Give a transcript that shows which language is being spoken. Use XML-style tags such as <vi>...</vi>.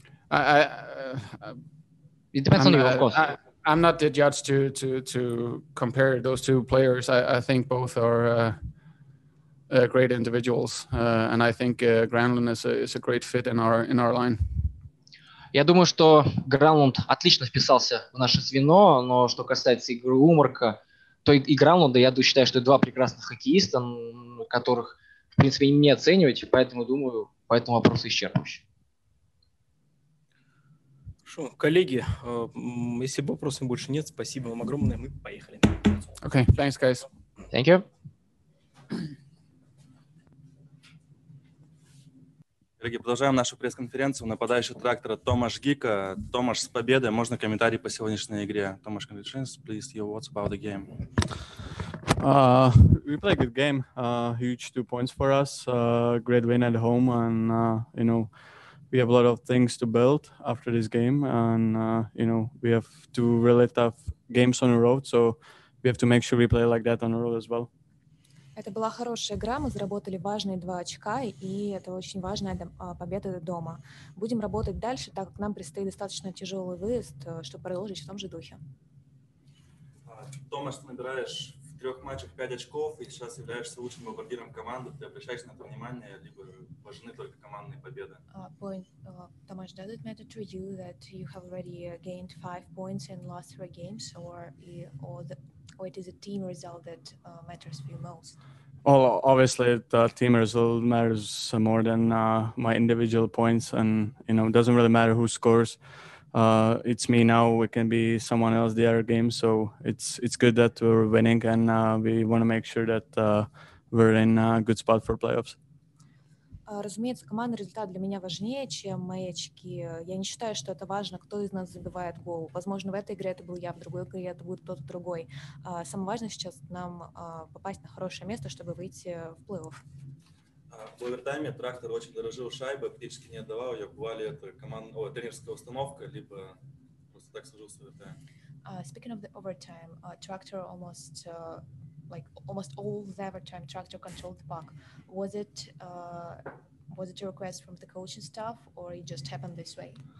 <en>I it depends on you, of course. I'm not the judge to compare those two players. I think both are great individuals, and I think Granlund is a great fit in our line.</en> <ru>Я думаю, что Гранлунд отлично вписался в наше звено, но что касается игры Умарка, то и Гранлунда, я считаю, что два прекрасных хоккеиста, которых, в принципе, не оценивать, поэтому думаю, по этому вопросу исчерпывающе. Коллеги, если вопросов больше нет, спасибо вам огромное, мы поехали.</ru> <en>Okay, thanks, guys. Thank you.</en> <ru>Дорогие, продолжаем нашу пресс-конференцию. Нападающий трактора Томаш Гика. Томаш, с победой. Можно комментарий по сегодняшней игре?</ru> <en>Томаш, congratulations, please. What's about the game? We played a good game. Huge 2 points for us. Great win at home and, you know, we have a lot of things to build after this game, and you know, we have 2 really tough games on the road, so we have to make sure we play like that on the road as well.</en> <ru>Это была хорошая игра, мы заработали важные 2 очка, и это очень важная победа дома. Будем работать дальше, так как нам предстоит достаточно тяжелый выезд, чтобы продолжить в том же духе. Томаш, набираешь в 3 матчах 5 очков, и сейчас являешься лучшим бомбардиром команды. Ты обращаешь на это внимание, либо важны только командные победы?</ru> <en>Томаш, does it matter to you that you have already gained 5 points and lost 3 games, or it is a team result that matters for you most? Well, obviously, the team result matters more than my individual points, and you know, it doesn't really matter who scores. It's me now, we can be someone else the other game, so it's good that we're winning, and we want to make sure that we're in a good spot for playoffs.</en> <ru>Разумеется, командный результат для меня важнее, чем мои очки. Я не считаю, что это важно, кто из нас забивает гол. Возможно, в этой игре это был я, в другой игре это будет кто-то другой. Самое важное сейчас нам попасть на хорошее место, чтобы выйти в плей-офф. В овертайме трактор очень дорожил шайбой, практически не отдавал ее. Бывали это тренерская установка, либо просто так сложился овертайм.</ru> <en>Speaking of the overtime, Tractor almost, almost all the overtime, Tractor controlled the puck. Was it a request from the coaching staff, or it just happened this way?</en>